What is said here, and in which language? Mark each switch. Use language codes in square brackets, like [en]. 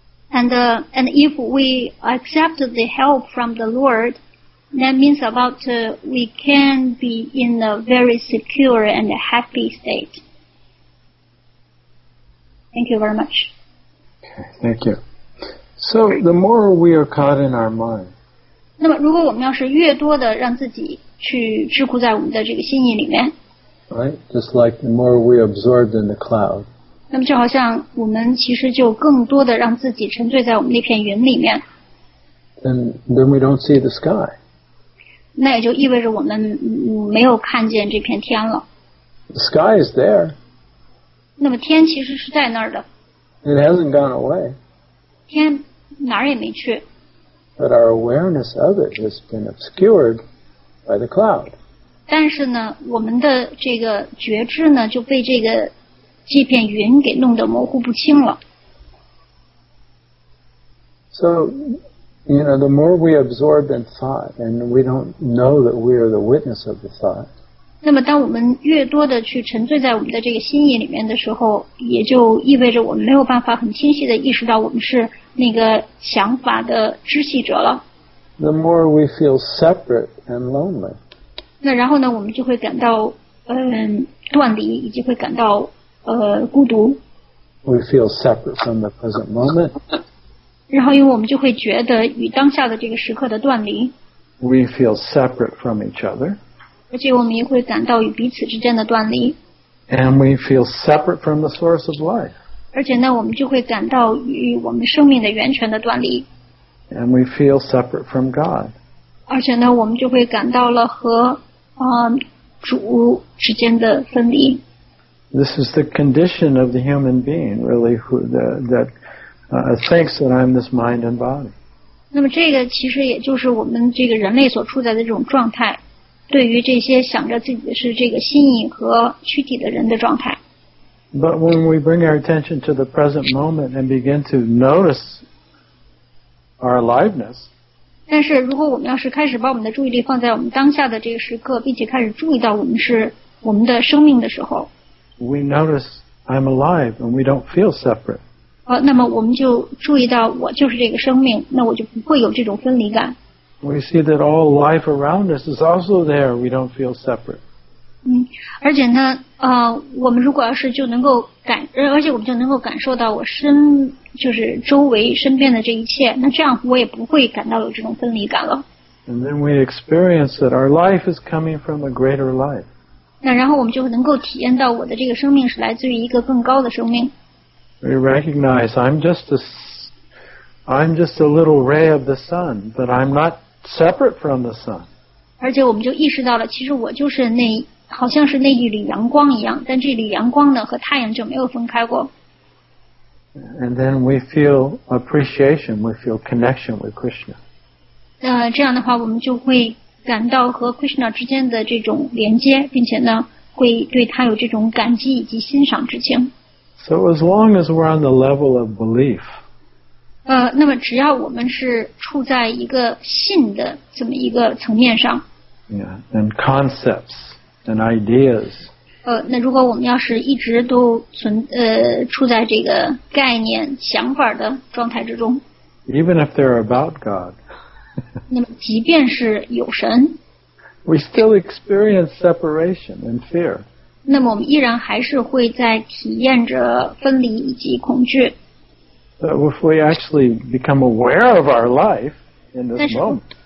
[en] And if we accept the help from the Lord,That means about we can be in a very secure and a happy state. Thank you very much. Okay, thank you. So the more we are caught in our mind, [zh] 那么如果我们要是越多的让自己去桎梏在我们的这个心意里面 [en] right, just like the more we absorbed in the cloud, [zh] 那么就好像我们其实就更多的让自己沉醉在我们那片云里面 [en] then we don't see the sky. [zh] 那也就意味着我们没有看见这片天了。 [en] The sky is there. [zh] 那么天其实是在那儿的。 [en] It hasn't gone away. [zh] 天哪儿也没去。 [en] But our awareness of it has been obscured by the cloud. [zh] 但是呢，我们的这个觉知呢，就被这片云给弄得模糊不清了。 [en] So,You know, the more we absorb in thought, and we don't know that we are the witness of the thought. [zh] 那么当我们越多的去沉醉在我们的这个心意里面的时候，也就意味着我们没有办法很清晰的意识到我们是那个想法的知悉者了。 [en] The more we feel separate and lonely. [zh] 那然后呢，我们就会感到断离，以及会感到孤独。 [en] We feel separate from the present moment. [zh] 然后因为我们就会觉得与当下的这个时刻的断离 [en] We feel separate from each other [zh] 而且我们也会感到与彼此之间的断离 [en] And we feel separate from the source of life [zh] 而且呢，我们就会感到与我们生命的源泉的断离。 [en] And we feel separate from God. [zh] 而且呢，我们就会感到了和主之间的分离。 [en] This is the condition of the human being, really, who that thinks that I'm this mind and body. [zh] 那么这个其实也就是我们这个人类所处在的这种状态，对于这些想着自己是这个心意和躯体的人的状态。 [en] But when we bring our attention to the present moment and begin to notice our aliveness, [zh] 但是如果我们要是开始把我们的注意力放在我们当下的这个时刻，并且开始注意到我们是我们的生命的时候。 [en] We notice I'm alive and we don't feel separate. [zh] 那么我们就注意到我就是这个生命，那我就不会有这种分离感。 [en] We see that all life around us is also there. We don't feel separate. [zh] 而且呢，我们如果要是就能够感，而且我们就能够感受到我身，就是周围身边的这一切，那这样我也不会感到有这种分离感了。 [en] And then we experience that our life is coming from a greater life. [zh] 那然后我们就能够体验到我的这个生命是来自于一个更高的生命。 [en] We recognize I'm just a little ray of the sun, but I'm not separate from the sun. [zh] 而且我们就意识到了，其实我就是那，好像是那一缕阳光一样，但这缕阳光呢，和太阳就没有分开过。 [en] And then we feel appreciation, we feel connection with Krishna. [zh] 这样的话，我们就会感到和 Krishna 之间的这种连接，并且呢，会对他有这种感激以及欣赏之情。 [en] So as long as we're on the level of belief, [zh] 那么只要我们是处在一个信的这么一个层面上 [en] ，Yeah, and concepts and ideas. [zh] 那如果我们要是一直都处在这个概念、想法的状态之中 [en] ，Even if they're about God. [zh] 那么即便是有神 [en] ，We still experience separation and fear. [zh] 那么我们依然还是会在体验着分离以及恐惧。 [en] But if we actually become aware of our life in this moment,